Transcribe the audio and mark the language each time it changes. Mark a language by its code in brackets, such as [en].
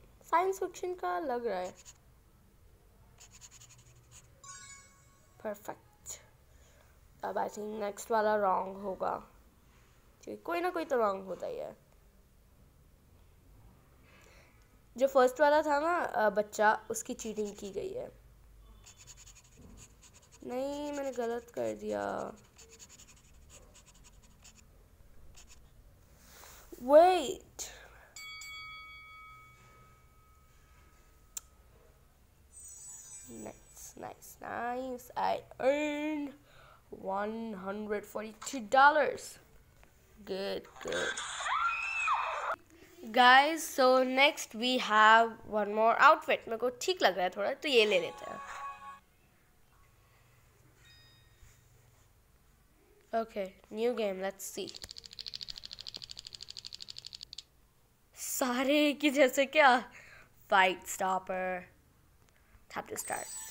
[hi] science fiction ka lag raha hai, perfect, ab I think next wala wrong hoga, कोई ना कोई तो wrong होता ही है। जो फर्स्ट वाला था ना बच्चा, उसकी चीटिंग की गई है। नहीं मैंने गलत कर दिया, wait, nice nice nice, [en] I earn $142। Good, good. Guys, so next we have one more outfit. [hi] मेरे को ठीक लग रहा है थोड़ा, तो ये ले लेते हैं. [en] Okay, new game. Let's see. [hi] सारे की जैसे क्या? [en] Fight stopper. Tap to start.